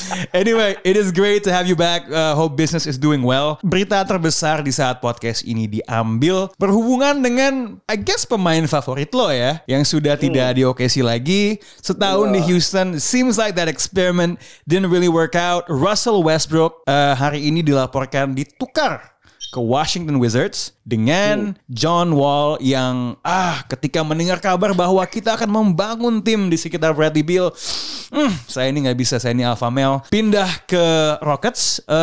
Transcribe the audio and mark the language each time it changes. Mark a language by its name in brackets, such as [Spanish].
[English] Anyway, it is great to have you back. Hope business is doing well. [Indonesian] Berita terbesar di saat podcast ini diambil berhubungan dengan [English] I guess [Indonesian] pemain favorit lo ya, yang sudah tidak di OKC lagi setahun di Houston. [English] Seems like that experiment didn't really work out. [Indonesian] Russell Westbrook hari ini dilaporkan ditukar ke Washington Wizards dengan John Wall yang ketika mendengar kabar bahwa kita akan membangun tim di sekitar Bradley Beal, saya ini nggak bisa, saya ini alpha male, pindah ke Rockets.